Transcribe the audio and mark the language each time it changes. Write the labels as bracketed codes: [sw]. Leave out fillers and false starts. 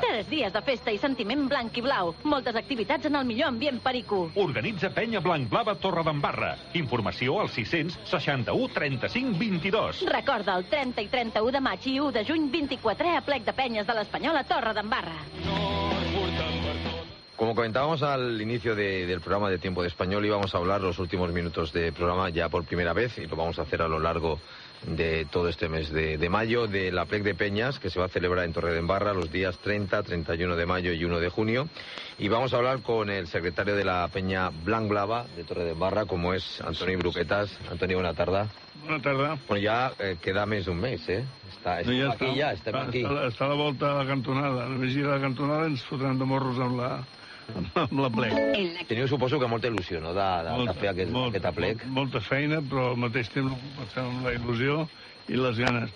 [ca] 3 dies de festa i sentiment blanc i blau. Moltes activitats en el millor ambient perico. Organitza Penya Blanc Blava Torredembarra. Informació al 600 61 35 22. Recorda, el 30 i 31 de maig i 1 de juny, 24è plec de penyes de l'Espanyol a Torredembarra. [es] Como comentábamos al inicio del programa de Tiempo de Español, íbamos a hablar los últimos minutos de programa ya por primera vez, y lo vamos a hacer a lo largo de todo este mes de mayo, de la Plec de Peñas, que se va a celebrar en Torredembarra los días 30, 31 de mayo y 1 de junio. Y vamos a hablar con el secretario de la Peña Blanc Blava de Torredembarra, como es Antoni Bruquetas. Antoni, buena tarde. Buena tarde. [ca] Bueno, ya queda més d'un mes, ¿eh? Estem aquí. Està a la volta de la cantonada. A la vigília de la cantonada ens fotran de morros amb la plec. Teniu, suposo, que molta il·lusió, no?, de fer aquesta plec. Molta feina, però al mateix temps passant la il·lusió i les ganes.